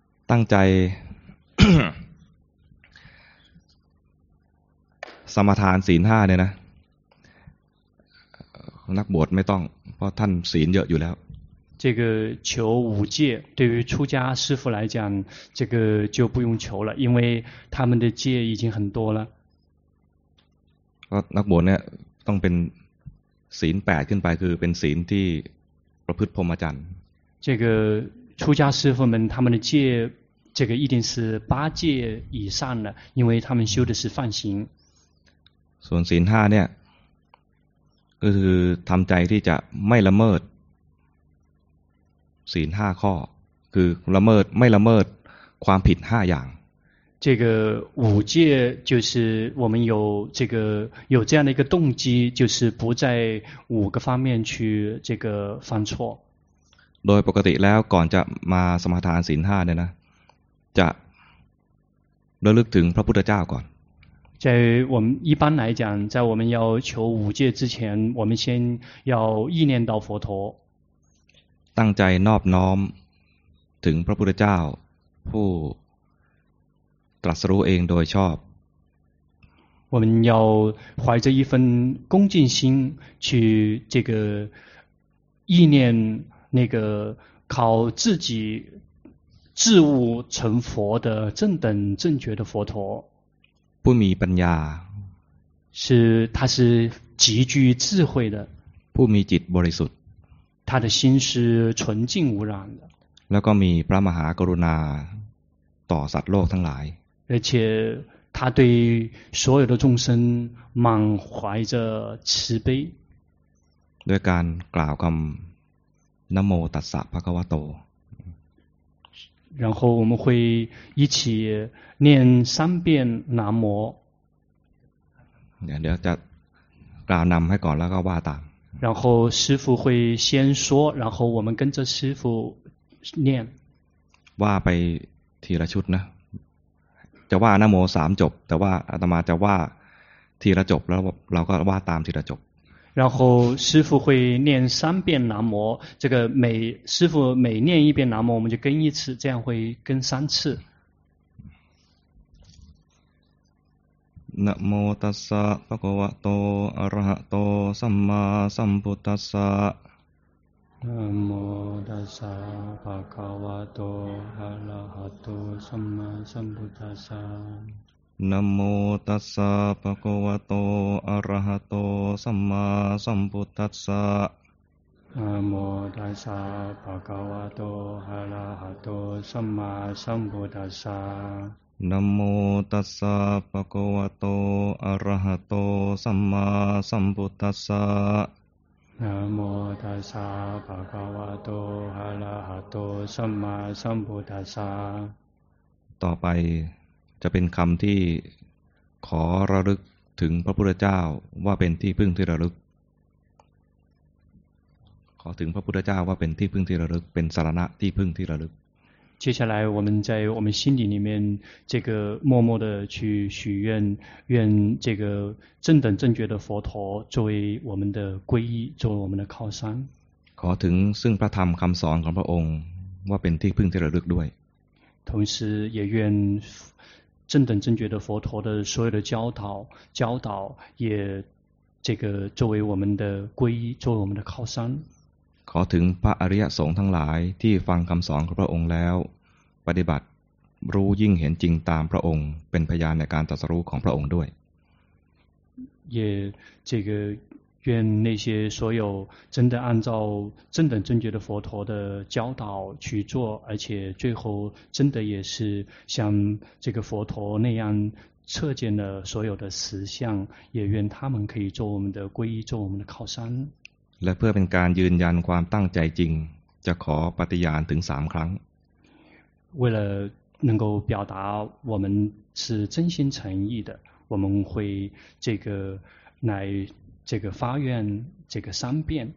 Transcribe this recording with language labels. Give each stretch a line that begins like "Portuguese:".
Thai: ตั้งใจ สมาทานศีลห้าเนี่ยนะนักบวชไม่ต้องเพราะท่านศีลเยอะอยู่แล้ว
Chinese: 这个求五戒对于出家师父来讲这个就不用求了因为他们的戒已经很多了
Thai: นักบวชเนี่ยต้องเป็นศีล8ขึ้นไปคือเป็นศีลที่ประพฤติพรหมจรรย์
Chinese: 这个出家师父们他们的戒这个一定是八戒以上的因为他们修的是梵行
Thai: ส่วนศีล5เนี่ยก็คือทำใจที่จะไม่ละเมิดศีล5ข้อคือละเมิดไม่ละเมิดความผิด5อย่าง
Chinese: 这个五戒就是我们有这样的一个动机就是不在五个方面去这个犯错
Thai: โดยปกติแล้วก่อนจะมาสมาทานศีล5เนี่ยนะจะระลึกถึงพระพุทธเจ้าก่อน
Chinese: 在我们一般来讲在我们要求五戒之前我们先要意念到佛陀
Thai: ตั้งใจนอบน้อมถึงพระพุทธเจ้าผู้ตรัสรู้เองโดยชอบ
Chinese: 我们要怀着一份恭敬心去这个意念那个靠自己自悟成佛的正等正觉的佛陀不迷
Thai: ปัญญา
Chinese: 是他是极具智慧的不迷
Thai: จิตบริสุทธิ์
Chinese: 他的心是纯净无染的。
Thai: แล้วก็มีพระมหากรุณาต่อสัตว์โลกทั้งหลาย。
Chinese: 而且他对所有的众生满怀着慈悲。
Thai: ด้วยการกล่าวคำ
Pali: นะโมตัสสะภะคะวะโต。
Chinese: 然后我们会一起念三遍南无。
Thai: เดี๋ยวจะกล่าวนำให้ก่อนแล้วก็ว่าตาม。
Chinese: 然后师父会先说，然后我们跟着师父念。
Thai: ว่าไปทีละชุดนะจะว่านะโมสามจบแต่ว่าอาตมาจะว่าทีละจบแล้วเราก็ว่าตามทีละจบ
Chinese: 然后师父会念三遍南无，这个每师父每念一遍南无，我们就跟一次，这样会跟三次。
Pali: นะโมตัสสะภะคะวะโตอะระหะโตสัมมาสัมพุทธัสสะ นะโมตัสสะภะคะวะโตอะระหะโตสัมมาสัมพุทธัสสะ นะโมตัสสะภะคะวะโตอะระหะโตสัมมาสัมพุทธัสสะ นะโมตัสสะภะคะวะโตอะระหะโตสัมมาสัมพุทธัสสะ นะโมตัสสะภะคะวะโตอะระหะโตสัมมาสัมพุทธัสสะ นะโมตัสสะภะคะวะโตอะระหะโตสัมมาสัมพุทธัสสะ
Thai: ต่อไปจะเป็นคำที่ขอระลึกถึงพระพุทธเจ้าว่าเป็นที่พึ่งที่ระลึกขอถึงพระพุทธเจ้าว่าเป็นที่พึ่งที่ระลึกเป็นสรณะที่พึ่งที่ระลึก
Chinese: 接下来我们在我们心底里面这个默默的去许愿，愿这个正等正觉的佛陀作为我们的皈依，作为我们的靠山。
Thai: ขอถึงซึ่งพระธรรมคำสอนของพระองค์ว่าเป็นที่พึ่งที่ระลึกด้วย。
Chinese: 同时也愿正等正觉的佛陀的所有的教导也这个作为我们的皈依，作为我们的靠山。
Thai: ขอถึงพระอริยสงฆ์ทั้งหลายที่ฟังคำสอนของพระองค์แล้วปฏิบัติรู้ยิ่งเห็นจริงตามพระองค์เป็นพยานในการตรัสรู้ของพระองค์ด้วย
Chinese: 也这个愿那些所有真的按照正等正觉的佛陀的教导去做，而且最后真的也是像这个佛陀那样测见了所有的实相，也愿他们可以做我们的皈依，做我们的靠山。
Thai: และเพื่อเป็นการยืนยันความตั้งใจจริงจะขอปฏิญาณถึง3ครั้ง
Chinese: 为了能够表达我们是真心诚意的我们会这个来这个发愿这个三遍